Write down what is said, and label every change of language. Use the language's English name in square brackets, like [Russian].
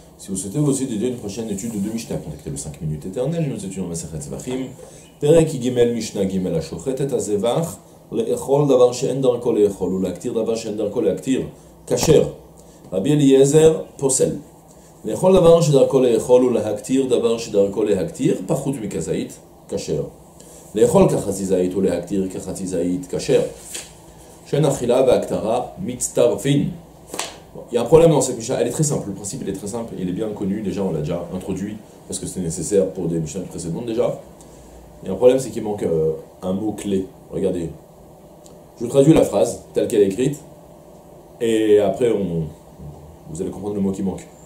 [French] Si vous souhaitez vous aussi dédier une prochaine étude de Mishnah, contactez le 5 minutes éternelles, nous étudions Masechet Zevachim, Perek Gimel Mishnah Gimel [Hebrew] Ashochet et Azevach, Le'echol Davar She'en Darko Le'echol, ou L'Aktir Davar She'en Darko Le'Aktir, Kacher, Rabbi Eliezer, Posel. לאכול דבר שדרכו לאכול ולהקטיר דבר שדרכו להקטיר פחות מכזית, כשר. לאכול כחצי זית ולהקטיר כחצי זית, כשר. שן אכילה והקטרה מצטרפין. [French] Il y a un problème dans cette Mishnah, elle est très simple, le principe il est très simple, il est bien connu, déjà on l'a déjà introduit, parce que c'était nécessaire pour des Mishnahs précédentes déjà. Il y a un problème, c'est qu'il manque un mot clé. Regardez, je traduis la phrase telle qu'elle est écrite, et après vous allez comprendre le mot qui manque.